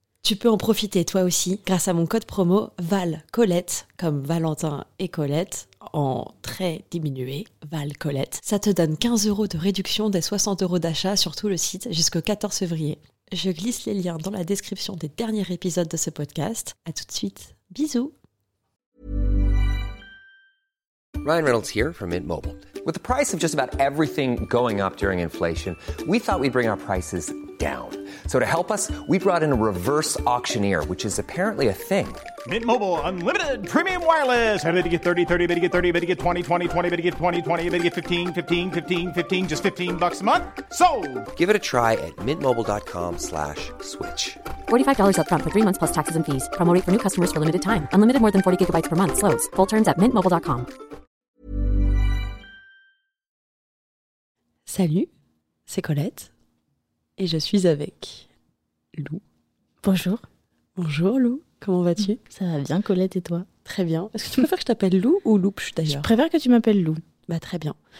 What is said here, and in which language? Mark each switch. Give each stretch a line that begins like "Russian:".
French: Tu peux en profiter toi aussi grâce à mon code promo VALCOLETTE, comme Valentin et Colette, en très diminué, VALCOLETTE. Ça te donne 15€ de réduction des 60€ d'achat sur tout le site jusqu'au 14 février. Je glisse les liens dans la description des derniers épisodes de ce podcast. A tout de suite, bisous.
English: Ryan Reynolds here from Mint Mobile. With the price of just about everything going up during inflation, we thought we'd bring our prices down. So to help us, we brought in a reverse auctioneer, which is apparently a thing. Mint Mobile Unlimited Premium Wireless. I bet you get 30, 30, I bet you get 30, I bet you get 20, 20, 20, I bet you get 20, 20, I bet you get 15, 15, 15, 15, just $15 a month, sold. Give it a try at mintmobile.com/switch. $45 up front for 3 months plus taxes and fees. Promo rate for new customers for limited time. Unlimited more than 40 gigabytes per month. Slows full terms at mintmobile.com.
French: Salut, c'est Colette et je suis avec Lou. Bonjour. Bonjour Lou, comment vas-tu? Ça va bien Colette et toi? Très bien. Est-ce que tu préfères que je t'appelle Lou ou Loupche d'ailleurs? Je préfère que tu m'appelles Lou. Bah très bien.